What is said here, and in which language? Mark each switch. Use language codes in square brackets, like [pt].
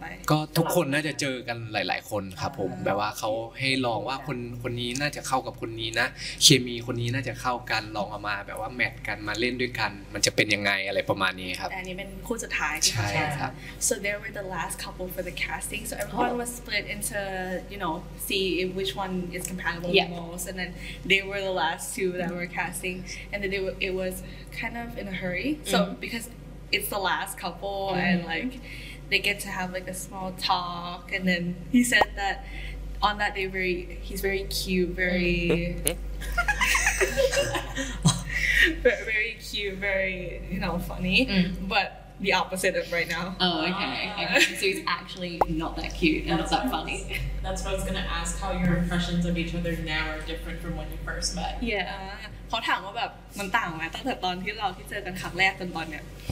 [th] ก็ทุกคนน่าจะเจอกันหลายๆคนครับผมแบบว่าเขาให้ลองว่าคนนี้น่าจะเข้ากับคนนี้นะเคมีคนนี้น่าจะเข้ากันลองเอามาแบบว่าแมทกันมาเล่นด้วยกันมันจะเป็นยังไงอะไรประมาณนี้ครับ อันนี้เป็นคู่สุดท้าย ใช่ครับ [en] so they were the last couple for the casting so everyone was split into you know see if which one is compatible the most and then they were the last two that were casting and then it was kind of in a hurry so because it's the last couple and likeThey get to have like a small talk, and then he said that on that day, he's very cute, very, very cute, very you know funny, but the opposite of right now. Oh, okay. So he's actually not that cute and not that funny. That's what I was gonna ask. How your impressions of each other now are different from when you first met? Yeah. [th] เขาถามว่าแบบมันต่างไหมตั้งแต่ตอนที่เราที่เจอกันครั้งแรกจนตอนเนี้ย